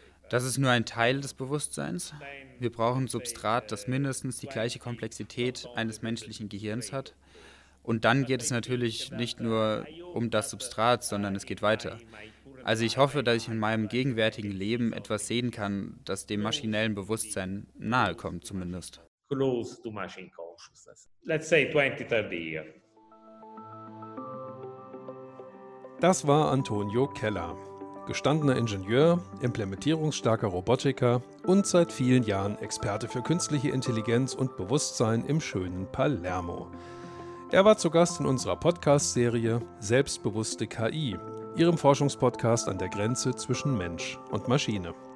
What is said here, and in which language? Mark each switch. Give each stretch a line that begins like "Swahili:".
German: Das ist nur ein Teil des Bewusstseins. Wir brauchen Substrat, das mindestens die gleiche Komplexität eines menschlichen Gehirns hat. Und dann geht es natürlich nicht nur um das Substrat, sondern es geht weiter. Also ich hoffe, dass ich in meinem gegenwärtigen Leben etwas sehen kann, das dem maschinellen Bewusstsein nahe kommt zumindest.
English: Close to machine consciousness. Let's say 2030.
German: Das war Antonio Keller, gestandener Ingenieur, implementierungsstarker Robotiker und seit vielen Jahren Experte für künstliche Intelligenz und Bewusstsein im schönen Palermo. Er war zu Gast in unserer Podcast-Serie Selbstbewusste KI, Ihrem Forschungspodcast an der Grenze zwischen Mensch und Maschine.